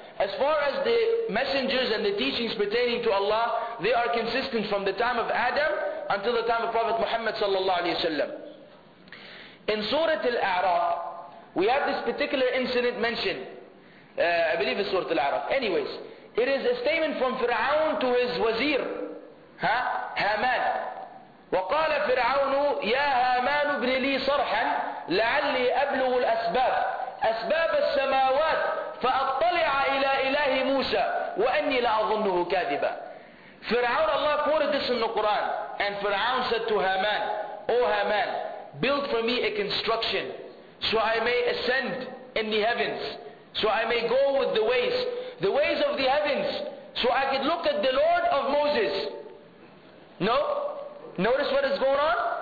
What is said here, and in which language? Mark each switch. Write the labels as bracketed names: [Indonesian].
[English] As far as the messengers and the teachings pertaining to Allah, they are consistent from the time of Adam until the time of Prophet Muhammad sallallahu alayhi wa sallam. In Surah Al-A'raf, we have this particular incident mentioned. I believe it's Surah Al-A'raf. Anyways, it is a statement from Fir'aun to his wazir, Haman. [Arabic] وَقَالَ فِرْعَوْنُ يَا هَامَانُ ابْنِ لِي صَرْحًا لَعَلِّي أَبْلُغُ الْأَسْبَابِ أسباب السماوات فأطلع إلى إله موسى وأني لا أظنه كاذبا. [English] فرعون, الله quoted this in the Quran, and Fir'aun said to Haman, O Haman, build for me a construction so I may ascend in the heavens, so I may go with the ways of the heavens, so I could look at the Lord of Moses. No? Notice what is going on?